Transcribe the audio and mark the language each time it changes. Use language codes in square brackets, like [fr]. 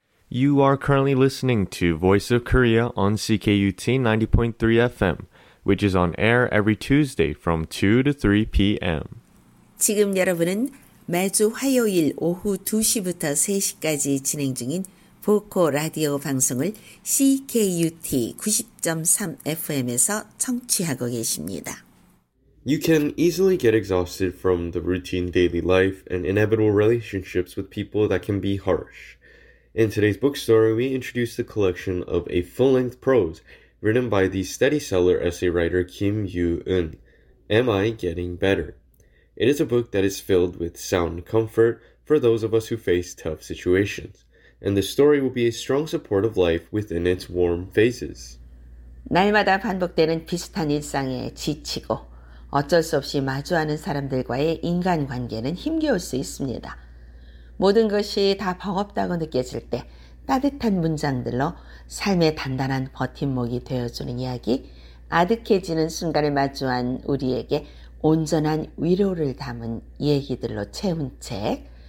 [en] You are currently listening to Voice of Korea on CKUT 90.3 FM, which is on air every Tuesday from 2 to 3 p.m. [ko] 지금 여러분은 매주 화요일 오후 2시부터 3시까지 진행 중인 보코 라디오 방송을 CKUT 90.3 FM에서 청취하고 계십니다. [en] You can easily get exhausted from the routine daily life and inevitable relationships with people that can be harsh. In today's bookstore, we introduce the collection of a full-length prose written by the steady seller essay writer Kim Yoo-eun, Am I Getting Better? It is a book that is filled with sound comfort for those of us who face tough situations, and the story will be a strong support of life within its warm phases. [ko] 날마다 반복되는 비슷한 일상에 지치고 어쩔 수 없이 마주하는 사람들과의 인간관계는 힘겨울 수 있습니다. 모든 것이 다 버겁다고 느껴질 때 따뜻한 문장들로 삶의 단단한 버팀목이 되어주는 이야기, 아득해지는 순간을 마주한 우리에게 온전한 위로를 담은 얘기들로 채운 책.